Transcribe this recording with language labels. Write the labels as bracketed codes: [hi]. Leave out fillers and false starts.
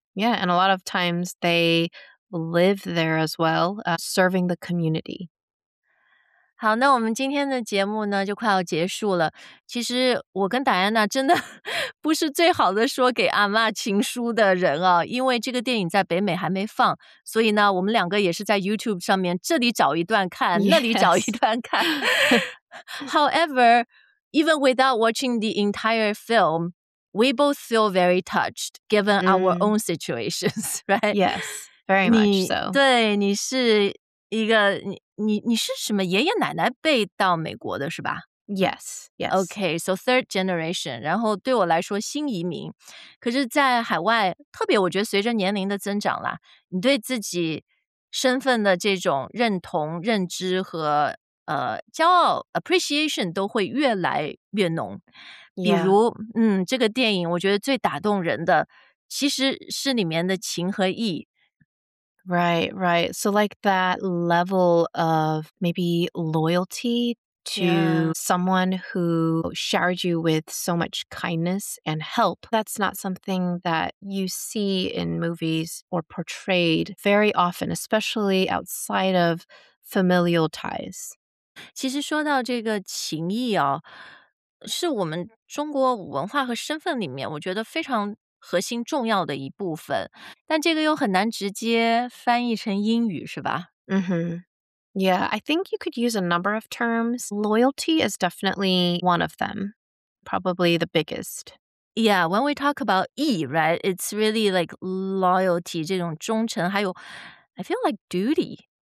[en] Yeah, and a lot of times they live there as well, serving the community. [zh] 好，那我们今天的节目呢就快要结束了。其实我跟戴安娜真的不是最好的说给阿嬷情书的人啊，因为这个电影在北美还没放，所以呢我们两个也是在 YouTube 上面这里找一段看、 [en] yes. [zh] 那里找一段看。 [en] However,Even without watching the entire film, we both feel very touched, given our own situations, right? Yes, very much so. [zh] 对，你是一个你是什么爷爷奶奶辈到美国的是吧？ [en] Yes, yes. Okay, so third generation. [zh] 然后对我来说新移民，可是在海外，特别我觉得随着年龄的增长啦，你对自己身份的这种认同、认知和骄傲 appreciation 都会越来越浓。比如、 [en] yeah. [zh] 这个电影我觉得最打动人的其实是里面的情和义。 [en] Right, right. So like that level of maybe loyalty to、 yeah. someone who showered you with so much kindness and help. That's not something that you see in movies or portrayed very often, especially outside of familial ties. [zh] 其实说到这个情谊啊，是我们中国文化和身份里面我觉得非常核心重要的一部分，但这个又很难直接翻译成英语是吧？ [en] Yeah, I think you could use a number of terms. Loyalty is definitely one of them, probably the biggest. Yeah, when we talk about 义 right, it's really like loyalty, 这种忠诚，还有 I feel like duty.